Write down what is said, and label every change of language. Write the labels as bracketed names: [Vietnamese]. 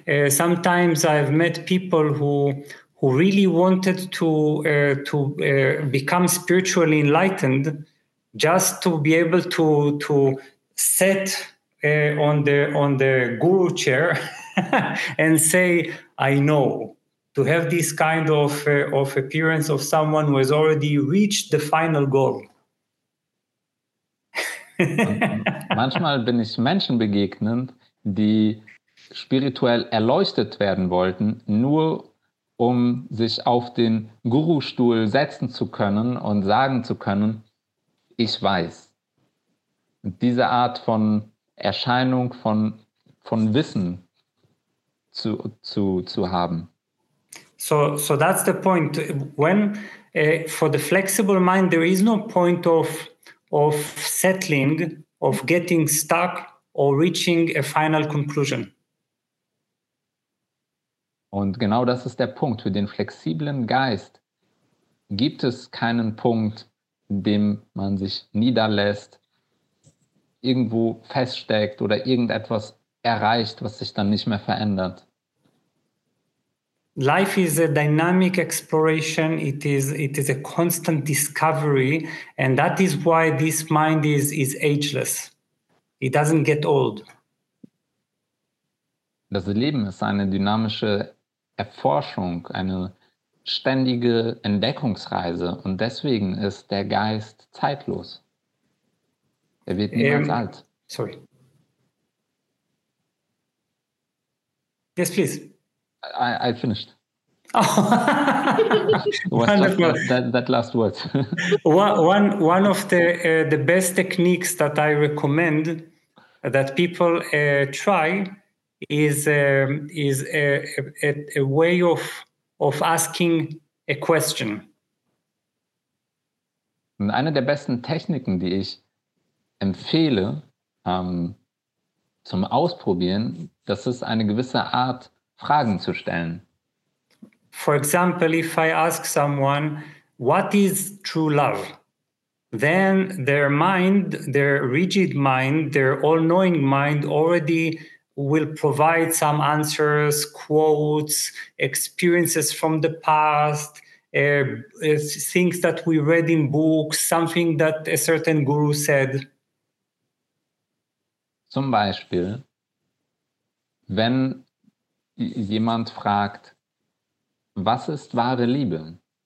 [English] Sometimes I've met people who really wanted to become spiritually enlightened, just to be able to set on the guru chair and say I know, to have this kind of appearance of someone who has already reached the final goal. [German] Manchmal bin ich Menschen begegnet, die spirituell erleuchtet werden wollten, nur um sich auf den Guru-Stuhl setzen zu können und sagen zu können, ich weiß. Und diese Art von Erscheinung von Wissen zu haben. [English] So that's the point. When for the flexible mind there is no point of settling, of getting stuck or reaching a final conclusion. [German] Und genau das ist der Punkt. Für den flexiblen Geist gibt es keinen Punkt, in dem man sich niederlässt, irgendwo feststeckt oder irgendetwas erreicht, was sich dann nicht mehr verändert. [English] Life is a dynamic exploration. It is a constant discovery, and that is why this mind is ageless. It doesn't get old. [German] Das Leben ist eine dynamische Erforschung, eine ständige Entdeckungsreise, und deswegen ist der Geist zeitlos. Er wird niemals alt. [English] Sorry. Yes, please. I finished. Oh. that last word. one of the best techniques that I recommend that people try is a way of asking a question. [German] Und eine der besten Techniken, die ich empfehle, zum Ausprobieren, das ist eine gewisse Art, Fragen zu stellen. [English] For example, if I ask someone, what is true love? Then their mind, their rigid mind, their all-knowing mind already will provide some answers, quotes, experiences from the past, things that we read in books, something that a certain guru said. [German] Zum Beispiel, wenn jemand fragt, was ist wahre Liebe?